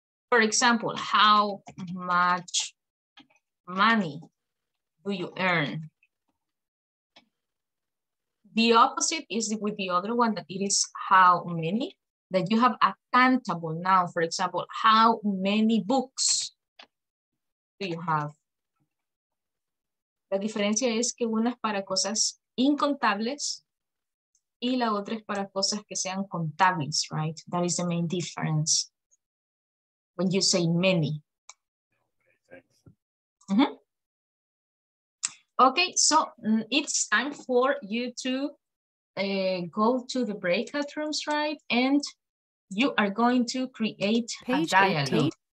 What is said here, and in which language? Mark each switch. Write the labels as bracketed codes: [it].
[en] For example, how much money do you earn? The opposite is with the other one, that it is how many, that you have a countable noun. For example, how many books do you have? [es] La diferencia es que una es para cosas incontables y la otra es para cosas que sean contables, right? [en] That is the main difference when you say many. Mm-hmm. Okay, so it's time for you to go to the breakout rooms, right? And you are going to create page a dialogue. 18.